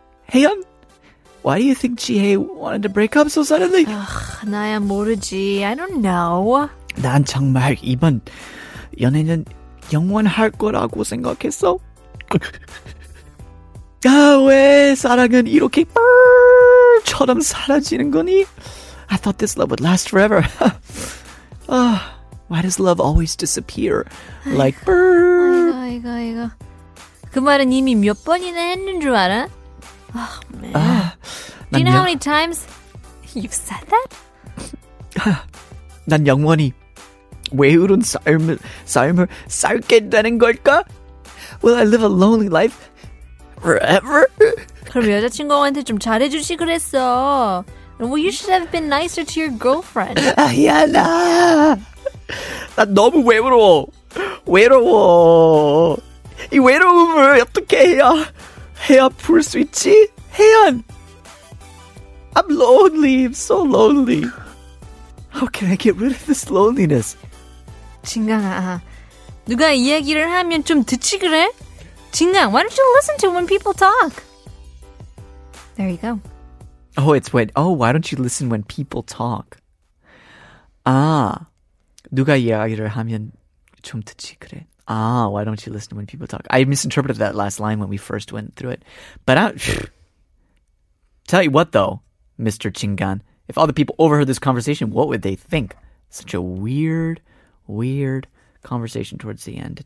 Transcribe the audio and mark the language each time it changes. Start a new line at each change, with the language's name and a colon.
English: Hey, why do you think Jihei wanted to break up so suddenly? Ugh, 나야 모르지. I don't know.
Korean: 난 정말 이번 연애는 영원할 거라고 생각했어. 아, 왜 사랑은 이렇게 뻘처럼 사라지는 거니?
English: I thought this love would last forever. Ah, why does love always disappear? Like bird.
Korean: 아이고. 그 말은 이미 몇 번이나 했는 줄 알아?
English: Oh, man. Do you know how many times you've said that?
Korean: 난 영원히 외로운 삶을 살게 되는 걸까?
English: Will I live a lonely life forever?
Korean: 그럼 여자친구한테 좀 잘해주시 그랬어.
English: Well, you should have been nicer to your girlfriend.
Korean: 야, 나 너무 외로워. 외로워. 이 외로움을 어떻게 해야 풀 수 있지?
English: Hey, I'm lonely. I'm so lonely. How can I get rid of this loneliness?
Korean: 진강아, 누가 이야기를 하면 좀 듣지 그래?
English: 진강, why don't you listen to when people talk? There you go. Oh, it's when. Oh, why don't you listen when people talk?
Korean: 아, 누가 이야기를 하면 좀 듣지 그래?
English: Ah, why don't you listen when people talk? I misinterpreted that last line when we first went through it. But I... Tell you what, though, Mr. Chingan, if all the people overheard this conversation, what would they think? Such a weird, weird conversation towards the end.